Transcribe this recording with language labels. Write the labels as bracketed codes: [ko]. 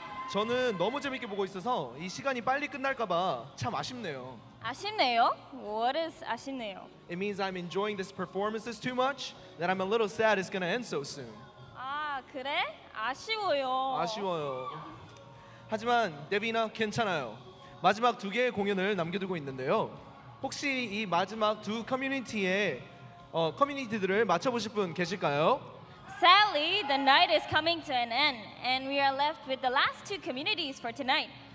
[ko] 저는 너무 재밌게 보고 있어서 이 시간이 빨리 끝날까 봐 참 아쉽네요. 아쉽네요? [en] What is 아쉽네요? It means I'm enjoying this performances too much that I'm a little sad it's gonna end so soon. [ko] 아, 그래? 아쉬워요. 아쉬워요. 하지만 데비나 괜찮아요. 마지막 두 개의 공연을 남겨두고 있는데요. 혹시 이 마지막 두 커뮤니티의 커뮤니티들을 맞춰보실 분 계실까요? [en] Sadly, the night is coming to an end, and we are left with the last two communities for tonight.